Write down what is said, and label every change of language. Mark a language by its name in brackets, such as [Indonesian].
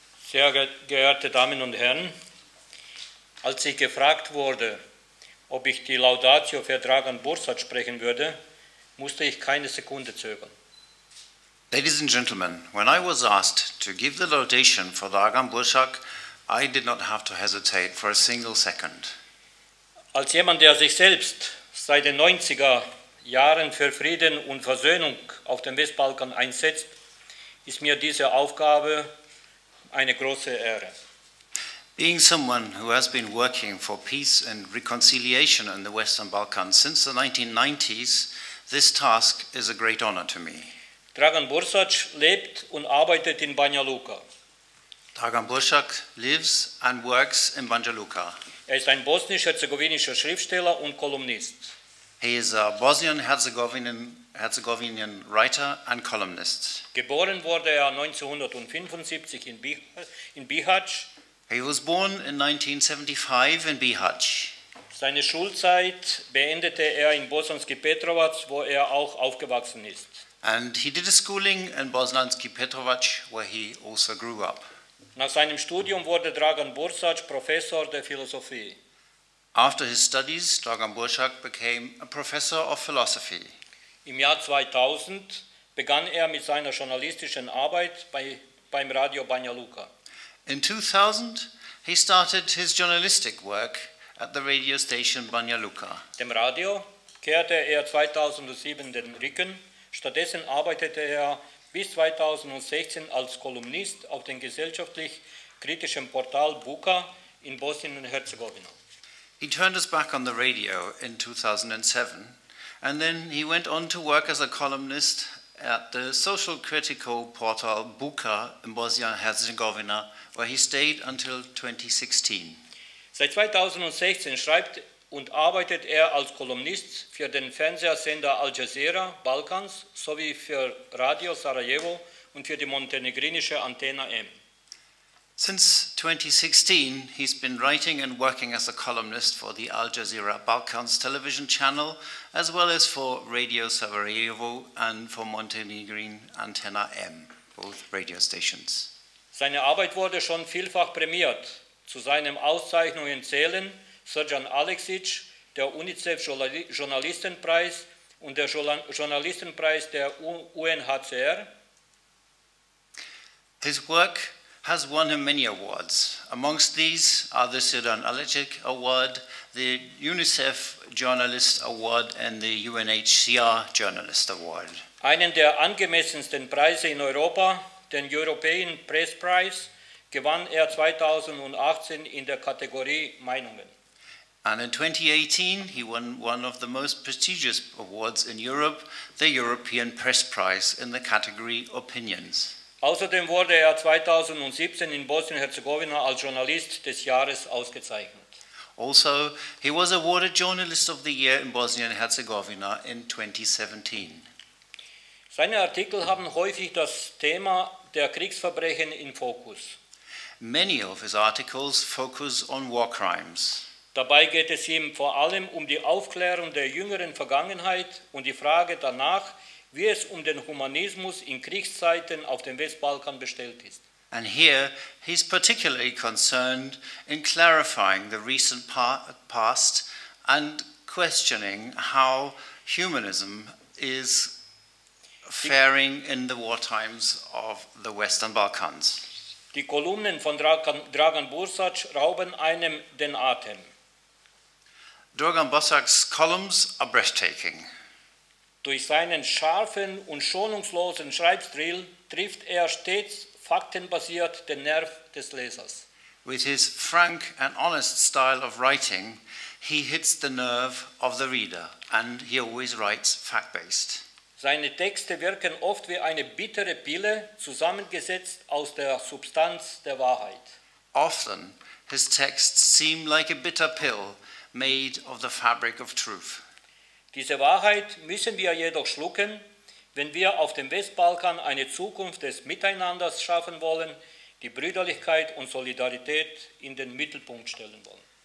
[German] Sehr geehrte Damen und Herren, als ich gefragt wurde, ob ich die Laudatio für Dragan Bursać sprechen würde, musste ich keine Sekunde zögern. [English] Ladies and gentlemen, when I was asked to give the laudation for Dragan Bursać, I did not have to hesitate for a single second. [German] Als jemand, der sich selbst seit den 90er Jahren für Frieden und Versöhnung auf dem Westbalkan einsetzt, ist mir diese Aufgabe eine große Ehre. [English] Being someone who has been working for peace and reconciliation in the Western Balkans since the 1990s, this task is a great honor to me. [German] Dragan Bursać lebt und arbeitet in Banja Luka. [English] Dragan Bursać lives and works in Banja Luka. [German] Er ist ein bosnisch-herzegowinischer Schriftsteller und Columnist. [English] He is a Bosnian-Herzegovinian writer and columnist. [German] Geboren wurde er 1975 in Bihać. [English] He was born in 1975 in Bihać. [German] Seine Schulzeit beendete er in Bosanski Petrovac, wo er auch aufgewachsen ist. [English] And he did a schooling in Bosanski Petrovac, where he also grew up. [German] Nach seinem Studium wurde Dragan Bursać Professor der Philosophie. [English] After his studies, Dragan Bursać became a professor of philosophy. [German] Im Jahr 2000 begann er mit seiner journalistischen Arbeit beim Radio Banja Luka. [English] In 2000, he started his journalistic work at the radio station Banja Luka. [German] Dem Radio kehrte er 2007 den Rücken. Stattdessen arbeitete er bis 2016 als Kolumnist auf dem gesellschaftlich kritischen Portal Buka in Bosnien und Herzegowina. [English] He turned his back on the radio in 2007, and then he went on to work as a columnist at the social critical portal Buka in Bosnia and Herzegovina, where he stayed until 2016. [German] Seit 2016 schreibt und arbeitet als Kolumnist für den Fernsehsender Al Jazeera Balkans sowie für Radio Sarajevo und für die montenegrinische Antena M. [English] Since 2016, he's been writing and working as a columnist for the Al Jazeera Balkans television channel, as well as for Radio Sarajevo and for Montenegrin Antena M, both radio stations. [German] Seine Arbeit wurde schon vielfach prämiert. Zu seinen Auszeichnungen zählen Srdjan Aleksic, der UNICEF-Journalistenpreis und der Journalistenpreis der UNHCR. [English] His work has won him many awards. Amongst these are the Srdjan Aleksic Award, the UNICEF Journalist Award and the UNHCR Journalist Award. [German] Einen der angemessensten Preise in Europa, den European Press Prize, gewann 2018 in der Kategorie Meinungen. [English] And in 2018, he won one of the most prestigious awards in Europe, the European Press Prize in the category Opinions. [German] Außerdem wurde 2017 in Bosnien-Herzegowina als Journalist des Jahres ausgezeichnet. [English] Also, he was awarded Journalist of the Year in Bosnien-Herzegowina in 2017. [German] Seine Artikel haben häufig das Thema der Kriegsverbrechen im Fokus. [English] Many of his articles focus on war crimes. [German] Dabei geht es ihm vor allem die Aufklärung der jüngeren Vergangenheit und die Frage danach, wie es den Humanismus in Kriegszeiten auf dem Westbalkan bestellt ist. [English] And here he's particularly concerned in clarifying the recent past and questioning how humanism is faring in the war times of the Western Balkans. [German] Die Kolumnen von Dragan Bursać rauben einem den Atem. [English] Dragan Bursać's columns are breathtaking. [German] Durch seinen scharfen und schonungslosen Schreibstil trifft stets faktenbasiert den Nerv des Lesers. [English] With his frank and honest style of writing, he hits the nerve of the reader, and he always writes fact-based. [German] Seine Texte wirken oft wie eine bittere Pille, zusammengesetzt aus der Substanz der Wahrheit. [English] Often his texts seem like a bitter pill made of the fabric of truth. [German] Diese Wahrheit müssen wir jedoch schlucken, wenn wir auf dem Westbalkan eine Zukunft des Miteinanders schaffen wollen, die Brüderlichkeit und Solidarität in den Mittelpunkt stellen wollen.